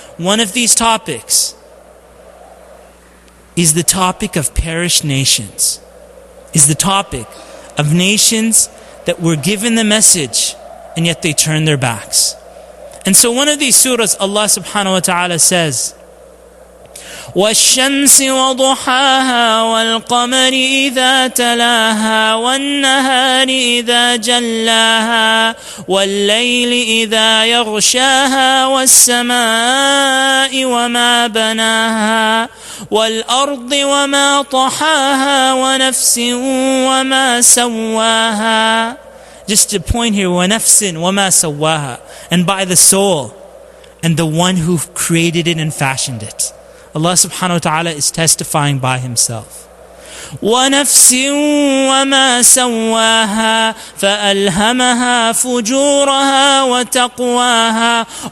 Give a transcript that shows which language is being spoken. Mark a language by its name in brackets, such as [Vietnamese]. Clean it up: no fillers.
[English] One of these topics is the topic of perished nations, is the topic of nations that were given the message, and yet they turn their backs. And so one of these surahs, Allah subhanahu wa ta'ala says, [Arabic] والشمس وضحاها والقمر إذا تلاها والنهار إذا جلاها والليل إذا يغشاها والسماء وما بناها والأرض وما طحاها ونفس وما سواها. [English] Just a point here, [Arabic] وَنَفْسٍ وَمَا سَوَّاهَا, [English] and by the soul, and the one who created it and fashioned it. Allah subhanahu wa ta'ala is testifying by Himself. [Arabic] وَنَفْسٍ وَمَا سَوَّاهَا فَأَلْهَمَهَا فُجُورَهَا وَتَقْوَاهَا.